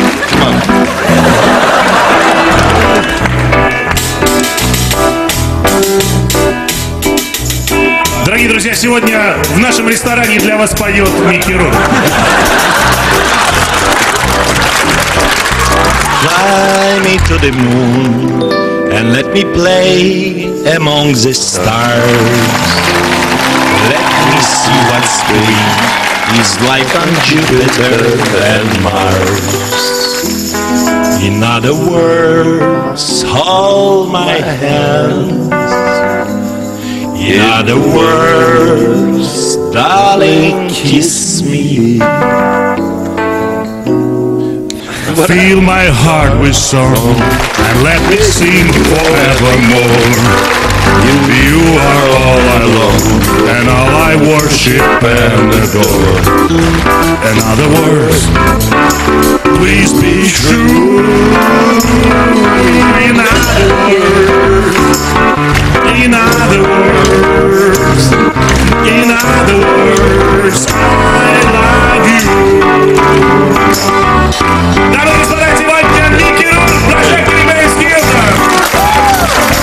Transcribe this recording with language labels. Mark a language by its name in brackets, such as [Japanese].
[English] Come on. [Russian] Дорогие друзья, сегодня в нашем ресторане для вас поет Микки Рур. [English] Fly me to the moon and let me play among the stars. Let me see what spring is like on Jupiter and Mars. In other words, hold my hands. In other words, darling, kiss me. Fill my heart with song and let me sing forevermore. If you are all I love and all I worship and adore. In other words, please be true. In other words, in other words, in other words, I love you. [Russian] Дамы и господа, сегодня Микки Рур, Project Remains Theater!